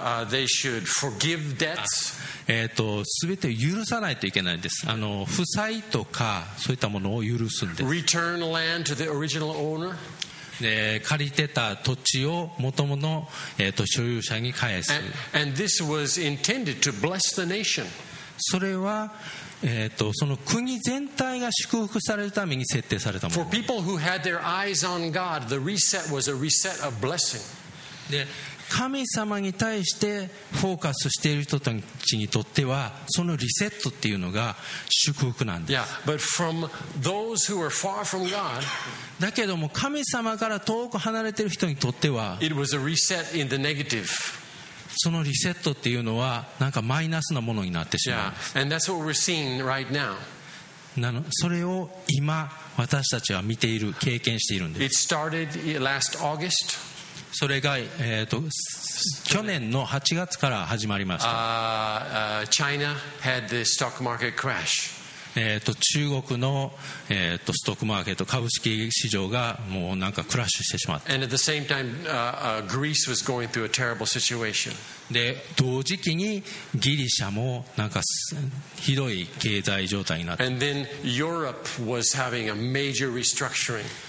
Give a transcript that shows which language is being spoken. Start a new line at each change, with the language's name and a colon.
English: they should forgive debts.
Japanese: 全て許さないといけないんです。あの負債とかそういったものを許すんです。
English: Return land to the original owner.
Japanese: で借りてた土地を元々の、所有者に返す。
English: and this was intended to bless the nation.
Japanese: それはその国全体が祝福されるために設定されたもの。
English: For people who had their eyes on God, the reset was a reset of blessing.
Japanese: で神様に対してフォーカスしている人たちにとってはそのリセットっていうのが祝福なんです。
English: Yeah, but from those who are far from God,
Japanese: だけども神様から遠く離れている人にとっては
English: It was a reset in the negative.
Japanese: そのリセットっていうのはなんかマイナスなものになってしまう。
English: Yeah, and that's what we're seeing right now.
Japanese: なのそれを今私たちは見ている経験しているんです。
English: It started last August.
Japanese: それが、去年の8月から始まりました。
English: China had the stock market crash.
Japanese: 中国の、ストックマーケット株式市場がもうなんかクラッシュしてしまった。
English: And at the same time, Greece was going through a terrible situation.
Japanese: で同時期にギリシャもなんかひどい経済状態になった。
English: And then Europe was having a major restructuring.